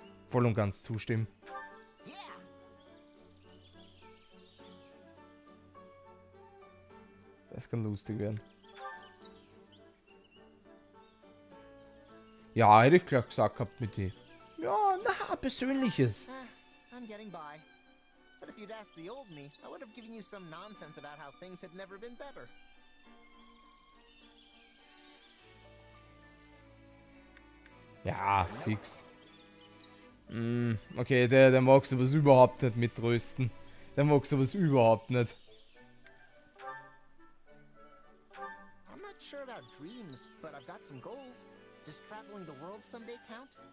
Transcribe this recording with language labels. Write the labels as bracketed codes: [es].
[de] Voll und ganz zustimmen. Das kann lustig werden. Ja, hätte ich gleich gesagt gehabt mit dir. Ja, na, persönliches. [en] I'm getting by. But if you'd asked the old me, I would have given you some nonsense about how things had never been better. [de] Ja, fix. Okay, der mag sowas überhaupt nicht mitrösten. Der mag sowas überhaupt nicht. [en] I'm not sure about dreams, but I've got some goals. Does traveling the world someday count?